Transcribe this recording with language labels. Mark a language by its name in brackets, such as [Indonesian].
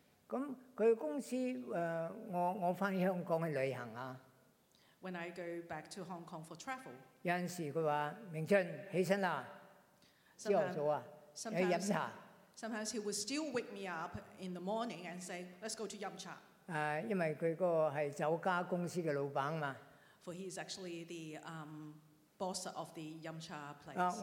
[Cantonese] 咁佢公司我翻香港去旅行啊。 [English] When I go back to Hong Kong for travel. [Cantonese] 有陣時佢話：明俊，起身啦，朝頭早啊，去飲茶。 [English] Sometimes he would still wake me up in the morning and say, "Let's go to 飲茶." [Cantonese] 因為佢嗰個係酒家公司嘅老闆嘛。 [English] For he is actually the boss of the 飲茶 place.